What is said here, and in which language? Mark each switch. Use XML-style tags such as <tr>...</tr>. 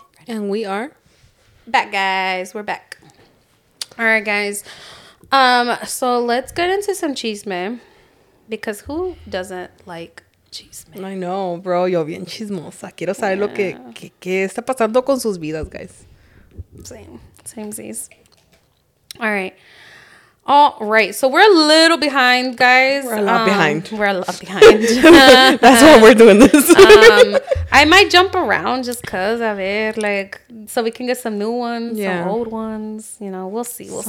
<en>And we are back, guys. We're back. All right, guys. So let's get into some chisme. Because who doesn't like chisme? I know, bro.</en> <es>Yo bien chismosa. Quiero saber lo que está pasando con sus vidas, guys.</es> <en>Samesies. All right. So we're a little behind, guys. We're a lot behind. That's why we're doing this. I might jump around just because,</en> <es>a ver,</es> <en>like, so we can get some new ones, some old ones. You know, we'll see.</en>